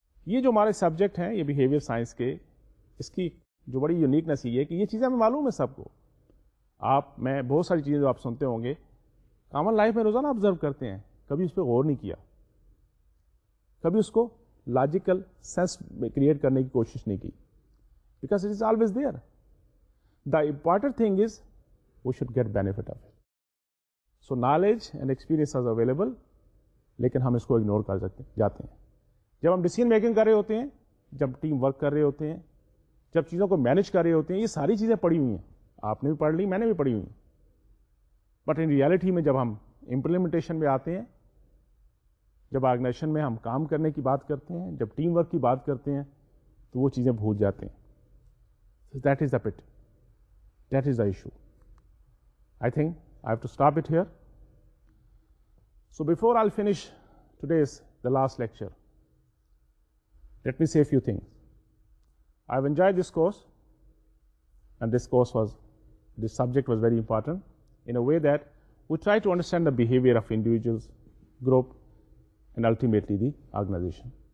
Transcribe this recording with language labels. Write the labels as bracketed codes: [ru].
[ur] یہ جو ہمارے سبجیکٹ ہیں, یہ بیہیویئر سائنس کے, اس کی جو بڑی یونیکنیس یہ ہے کہ یہ چیزیں ہمیں معلوم ہیں سب کو. آپ میں بہت ساری چیزیں جو آپ سنتے ہوں گے کامن لائف میں روزانہ آبزرو کرتے ہیں, کبھی اس پہ غور نہیں کیا, کبھی اس کو لاجیکل سینس کریٹ کرنے کی کوشش نہیں کی, [en] Because it is always there. The important thing is we should get benefit of it. So knowledge and experience is available, [ur] لیکن ہم اس کو اگنور کر جاتے ہیں. جب ہم ڈیسیژن میکنگ کر رہے ہوتے ہیں, جب ٹیم ورک کر رہے ہوتے ہیں, جب چیزوں کو مینیج کر رہے ہوتے ہیں, یہ ساری چیزیں پڑھی ہوئی ہیں, آپ نے بھی پڑھ لی, میں نے بھی پڑھی ہوئی ہیں. بٹ ان ریالٹی میں جب ہم امپلیمنٹیشن میں آتے ہیں, جب آرگنائزیشن میں ہم کام کرنے کی بات کرتے ہیں, جب ٹیم ورک کی بات کرتے ہیں, تو وہ چیزیں بھول جاتے ہیں. [en] That is the pit, that is the issue. I think I have to stop it here. So before I finish today is the last lecture, let me say few thing. I have enjoy this course, and this course was, this subject was very important in a way that we try to understand the behaviour of individuals, group, and ultimately the organisation.